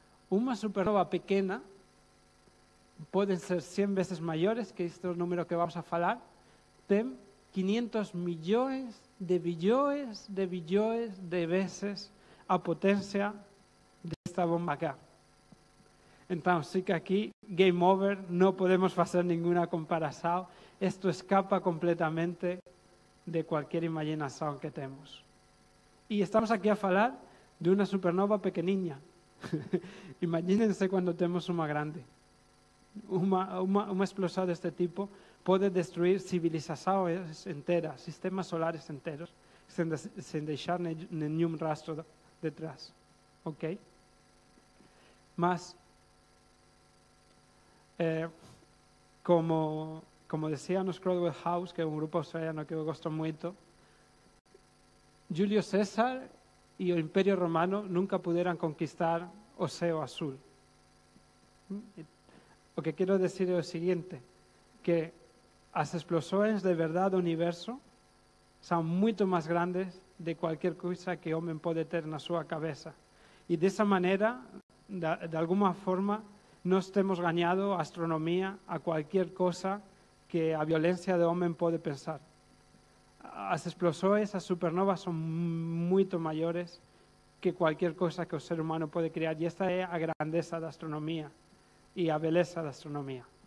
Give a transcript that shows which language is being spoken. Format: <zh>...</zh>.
<gl>Unha supernova pequena poden ser 100 veces maiores que este número que vamos a falar, ten 500 millóns de billóns de billóns de veces a potencia desta bomba H. Então, sí que aquí,</gl> <en>game over,</en> <gl>non podemos facer ninguna comparação. Isto escapa completamente de cualquier imaginación que temos. E estamos aquí a falar de unha supernova pequeniña. Imagínense cando temos unha grande. Unha explosão deste tipo pode destruir civilizações enteras, sistemas solares enteros, sen deixar nenhum rastro detrás. Ok? Mas, como decía nos Crowded House, que é un grupo australiano que eu gosto moito, Julio César e o Imperio Romano nunca puderan conquistar o Océano Azul. O que quero decir é o seguinte, que as explosões de verdade do universo</gl> <es>son mucho más grandes de cualquier cosa que el hombre puede tener en su cabeza. Y de esa manera, de alguna forma, nos hemos ganado astronomía a cualquier cosa que a violencia de hombre puede pensar. Las explosiones, las supernovas son mucho mayores que cualquier cosa que el ser humano puede crear. Y esta es la grandeza de astronomía y la belleza de astronomía.</es>